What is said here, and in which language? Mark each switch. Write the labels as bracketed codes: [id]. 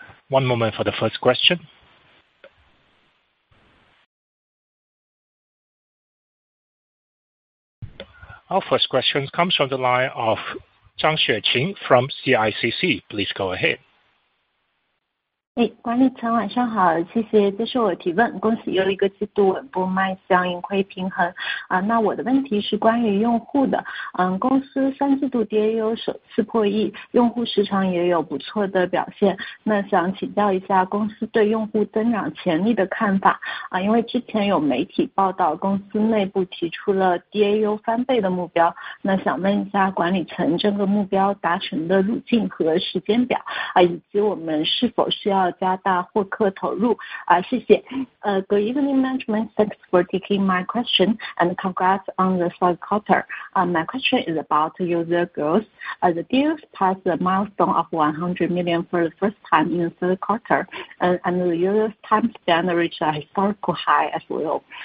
[en] One moment for the first question. Our first question comes from the line of Zhang Xueqing from CICC. Please go ahead. [zh] Hey, 管理层晚上好，谢谢接受我提问，恭喜又一个季度稳步迈向盈亏平衡。那我的问题是关于用户的，公司三季度DAU首次破亿，用户时长也有不错的表现。那想请教一下公司对用户增长潜力的看法，因为之前有媒体报道公司内部提出了DAU翻倍的目标，那想问一下管理层这个目标达成的路径和时间表，以及我们是否需要 [en] Good evening, management. Thanks for taking my question and congrats on the third quarter. My question is about user growth. The deals passed the milestone of 100 million for the first time in the third quarter, and the user time span reached a historical high as well.